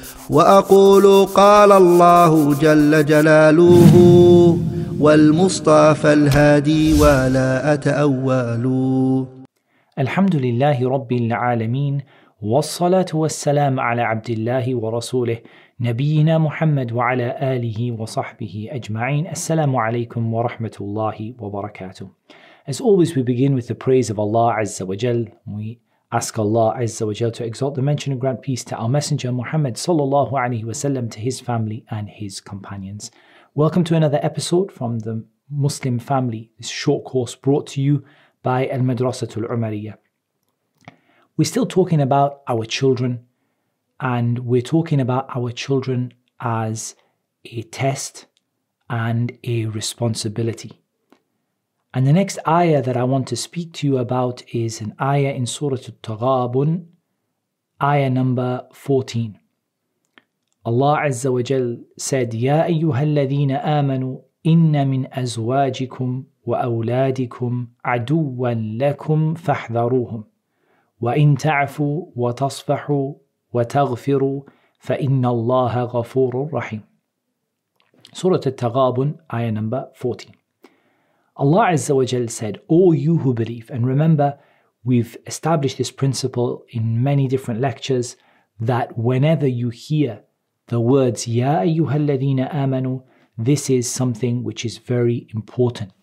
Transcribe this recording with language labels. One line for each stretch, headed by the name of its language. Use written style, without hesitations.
Arabic: وأقول قال الله جل جلاله والمصطفى الهادي ولا أتأول. الحمد لله رب العالمين، والصلاة والسلام على عبد الله ورسوله نبينا محمد وعلى آله وصحبه أجمعين. السلام عليكم ورحمة الله وبركاته.
English: As always, we begin with the praise of Allah Azza wa Jal. We ask Allah Azza wa Jal to exalt the mention and grant peace to our messenger Muhammad sallallahu alayhi wa sallam, to his family and his companions. Welcome to another episode from the Muslim family, this short course brought to you by Al-Madrasatul Umariyah. We're still talking about our children, and we're talking about our children as a test and a responsibility. And the next ayah that I want to speak to you about is an ayah in Surah At-Taghabun, ayah number 14. Allah Azza wa Jal said,
Arabic: يَا أَيُّهَا الَّذِينَ آمَنُوا إِنَّ مِنْ أَزْوَاجِكُمْ وَأَوْلَادِكُمْ عَدُوًّا لَكُمْ فَاحْذَرُوهُمْ وَإِنْ تَعْفُوا وَتَصْفَحُوا وَتَغْفِرُوا فَإِنَّ اللَّهَ غَفُورٌ رَحِيمٌ.
English: Surah At-Taghabun, ayah number 14. Allah Azza wa Jal said, O you who believe, and remember, we've established this principle in many different lectures, that whenever you hear the words,
Arabic: Ya ayyuhal ladhina amanu,
English: this is something which is very important.